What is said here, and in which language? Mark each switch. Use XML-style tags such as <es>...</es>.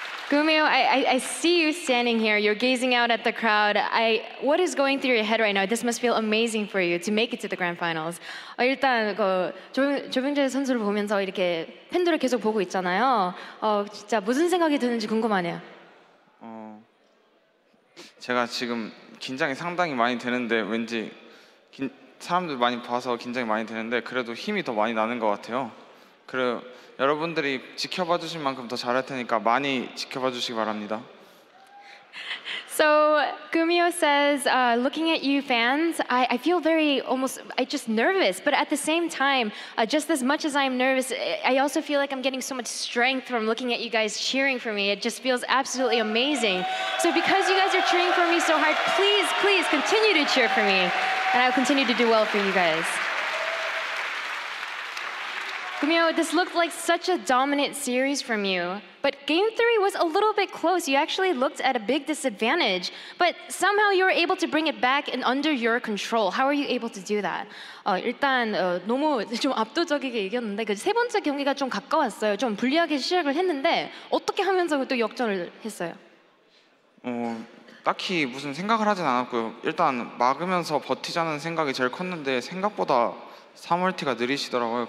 <en>Gumiho, I see you standing here. You're gazing out at the crowd. What is going through your head right now? This must feel amazing for you to make it to the grand finals.</en> <ko>일단 그 조병재 선수를 보면서 이렇게 팬들을 계속 보고 있잖아요. 진짜 무슨 생각이 드는지 궁금하네요. 제가 지금 긴장이 상당히 많이 되는데 왠지 사람들 많이 봐서 긴장이 많이 되는데 그래도 힘이 더 많이 나는 것 같아요. 그래. 여러분들이 지켜봐 주신 만큼 더 잘할 테니까 많이 지켜봐 주시기 바랍니다.</ko> <en>So Gumio says, looking at you fans, I feel very almost, I just nervous. But at the same time, just as much as I'm nervous, I also feel like I'm getting so much strength from looking at you guys cheering for me. It just feels absolutely amazing. So because you guys are cheering for me so hard, please, please continue to cheer for me. And I'll continue to do well for you guys. Gumio, this looked like such a dominant series from you. But game three was a little bit close. You actually looked at a big disadvantage, but somehow you were able to bring it back and under your control. How are you able to do that?</en> <ko>일단 너무 좀 압도적이게 이겼는데 그 세 번째 경기가 좀 가까웠어요. 좀 불리하게 시작을 했는데 어떻게 하면서 또 역전을 했어요? 딱히 무슨 생각을 하진 않았고요. 일단 막으면서 버티자는 생각이 제일 컸는데 생각보다 3월티가 느리시더라고요.</ko>